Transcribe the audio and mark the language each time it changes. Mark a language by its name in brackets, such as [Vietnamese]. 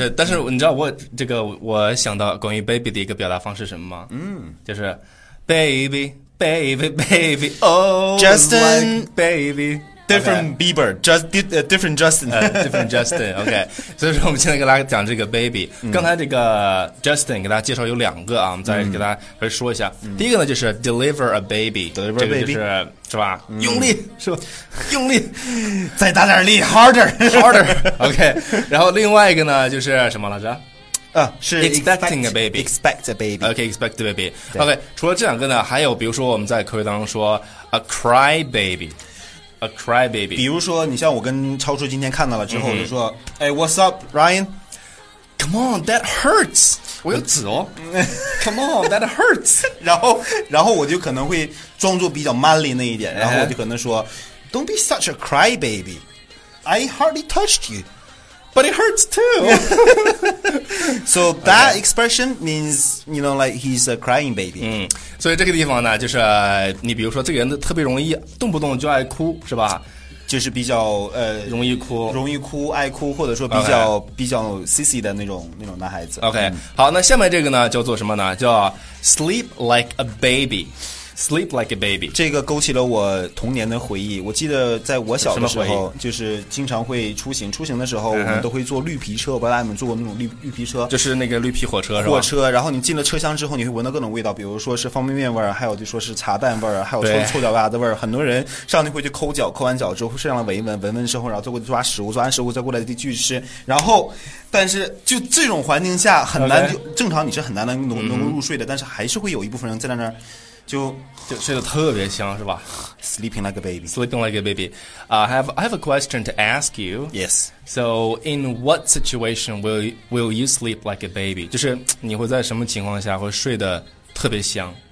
[Chinese] 但是你知道我这个我想到关于 baby 的一个表达方式什么吗？嗯， [English] 就是 babybaby baby oh Justin、 like、baby different、okay. Bieber just different Justin [Chinese] different Justin OK 所以说我们现在给大家讲这个 baby、刚才这个 Justin 给大家介绍有两个啊，我们再给大家来说一下、第一个呢就是 deliver a baby [English] deliver a baby、 [Chinese] 这个就是吧、用力是吧用力再打点力 harder harder OK 然后另外一个呢就是什么来着是 [English] expecting a baby. Expect a baby. Okay, expect a baby. [Chinese] Okay, 除了这两个呢，还有比如说我们在口语当中说 a cry baby, a cry baby. 比如说你像我跟超叔今天看到了之后，就说，哎、 what's up, Ryan? [English] Come on, that hurts. 我有纸哦。 Come on, that hurts. [Chinese] 然后我就可能会装作比较 manly 那一点，然后我就可能说 ， Don't be such a cry baby. [English] I hardly touched you. But it hurts too. So that expression means, you know, like he's a crying baby. [Chinese] 所以这个地方呢，就是你比如说这个人特别容易动不动就爱哭，是吧？就是比较容易哭，容易哭，爱哭，或者说比较、 [English] okay. [Chinese] 比较 sissy 的那种男孩子。 OK，、好，那下面这个呢叫做什么呢？ [English] 叫 sleep like a baby。Sleep like a baby. [Chinese] 这个勾起了我童年的回忆。我记得在我小的时候，就是经常会出行的时候，我们都会坐绿皮车。我不知道你们坐过那种绿皮车，就是那个绿皮火车，是吧？火车。然后你进了车厢之后，你会闻到各种味道，比如说是方便面味儿，还有就说是茶蛋味儿，还有臭脚丫子味儿。很多人上去会去抠脚，抠完脚之后身上闻一闻，闻闻之后，然后再过去抓食物，抓完食物再过来继续吃。然后，但是就这种环境下很难， okay. 就正常你是很难能够入睡的，但是还是会有一部分人在那儿。就睡得特别香是吧 [English] Sleeping like a baby. Sleeping like a baby. I have a question to ask you. Yes. So in what situation will you sleep like a baby? [Chinese] 就是你会在什么情况下会睡得特别香